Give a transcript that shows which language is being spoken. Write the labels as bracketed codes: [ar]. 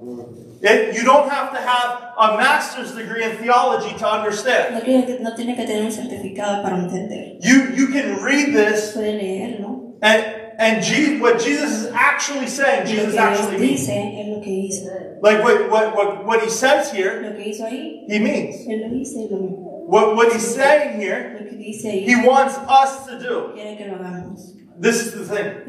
[en] You don't have to have a master's degree in theology to understand. [es] No tiene que tener un certificado para entender. [en] You can read this. [es] Puede leerlo. [en] What Jesus is actually saying, Jesus actually means. Like what he says here, he means. What he's saying here, he wants us to do. This is the thing.